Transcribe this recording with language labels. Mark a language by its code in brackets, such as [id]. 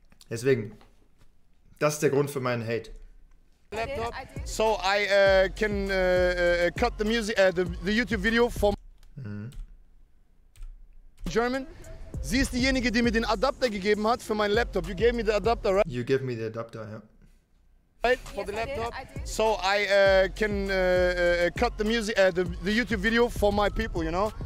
[de] Deswegen, das ist der Grund für meinen Hate. Laptop. [en] So I can cut the music, the YouTube video for German. [de] Sie ist diejenige, die mir den Adapter gegeben hat für meinen Laptop. [en] You gave me the adapter, right? You gave me the adapter, ja. Right, for the laptop. So I can cut the music, the YouTube video for my people, you know?